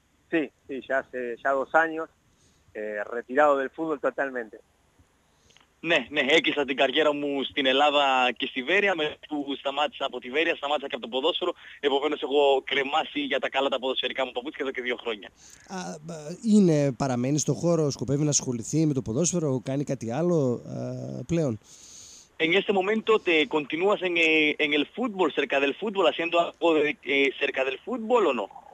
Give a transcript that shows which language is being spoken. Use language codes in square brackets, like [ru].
[es] Sí, sí, ya 2 años. Retirado del fútbol totalmente. [el] Ναι, ναι, έκλεισα την καριέρα μου στην Ελλάδα και στη Βέρεια. Με που σταμάτησα από τη Βέρεια, σταμάτησα και από το ποδόσφαιρο. Επομένως, έχω κρεμάσει για τα καλά τα ποδοσφαιρικά μου παπούτσια εδώ και 2 χρόνια. Είναι, παραμένει στο χώρο, σκοπεύει να ασχοληθεί με το ποδόσφαιρο, κάνει κάτι άλλο πλέον? [es] En este momento te continúas en el fútbol, cerca del fútbol, haciendo algo cerca del fútbol o no?